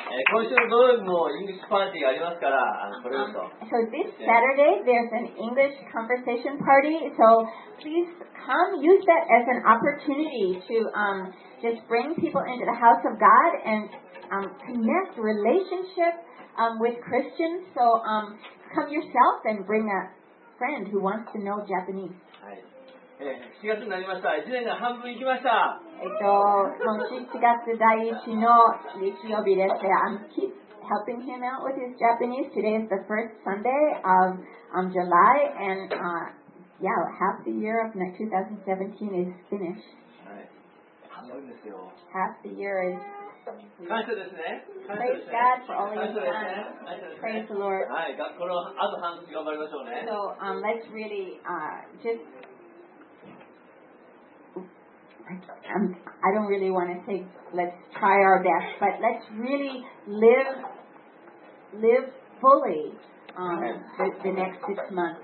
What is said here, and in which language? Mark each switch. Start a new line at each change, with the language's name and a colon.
Japanese: 今週の土曜日もイングリッシュパーティーがありますから、これをと。
English: So this Saturday there's an English conversation party. So please come, use that as an opportunity to just bring people into the house of God and connect relationship with Christians. So come yourself and bring a friend who wants to know Japanese.
Japanese: はい。7月になりました。1年が半分いきました。今月第一の日曜日です。
English: I'm keep helping him out with his Japanese. Today is the first Sunday of July, and half the year of 2017 is finished.
Japanese: はい、半分ですよ。
English: Half the year is.
Japanese: 感謝ですね。
English: Praise God for all you've done. Praise the Lord.
Japanese: はい、このあと半年頑張りましょうね。
English: So let's really just. I don't really want to say let's try our best, but let's really live fully the next 6 months.